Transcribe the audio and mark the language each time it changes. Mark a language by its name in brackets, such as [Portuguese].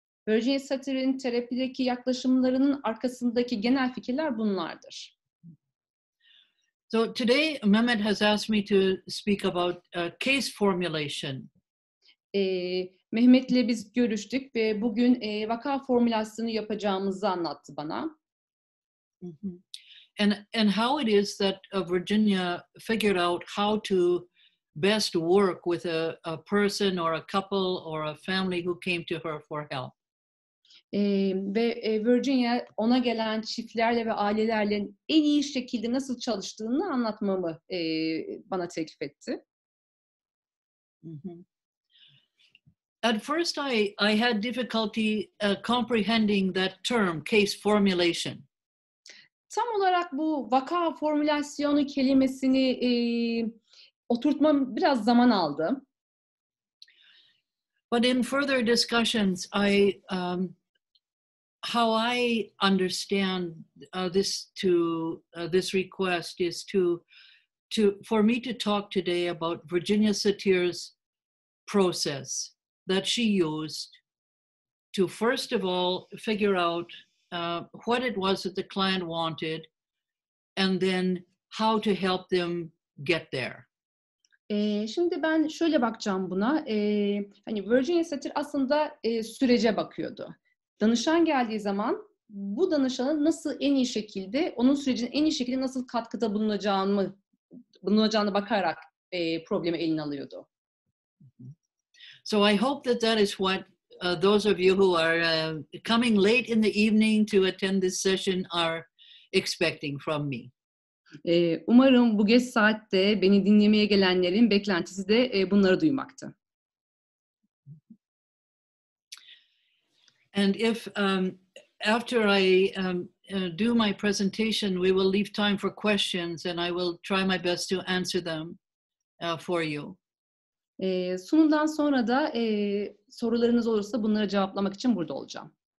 [Turkish] Virginia Satir'in terapideki yaklaşımlarının arkasındaki genel fikirler bunlardır. [English] So today Mehmet has asked me to speak about case formulation. [Turkish] Mehmet'le biz görüştük ve bugün vaka formülasyonu yapacağımızı anlattı bana. Mm-hmm. [English] And how it is that Virginia figured out how to best work with a person or a couple or a family who came to her for help. [Turkish] Ve Virginia ona gelen çiftlerle ve ailelerle en iyi şekilde nasıl çalıştığını anlatmamı bana teklif etti. Mm-hmm. [English] At first I had difficulty comprehending that term, case formulation. [Turkish] Tam olarak bu vaka formülasyonu kelimesini oturtmam biraz zaman aldı. [English] But in further discussions, I how I understand this request is to for me to talk today about Virginia Satir's process that she used to first of all figure out what it was that the client wanted, and then how to help them get there. [Turkish] Şimdi ben şöyle bakacağım buna. Hani Virginia Satir aslında sürece bakıyordu. Danışan geldiği zaman bu danışanın nasıl en iyi şekilde, onun sürecine en iyi şekilde nasıl katkıda bulunacağını bakarak problemi eline alıyordu. [English] So I hope that that is what those of you who are coming late in the evening to attend this session are expecting from me. [Turkish] Umarım bu geç saatte beni dinlemeye gelenlerin beklentisi de bunları duymaktı. [English] And if after I do my presentation, we will leave time for questions, and I will try my best to answer them for you. [Turkish] Sunumdan sonra da sorularınız olursa bunları cevaplamak için burada olacağım.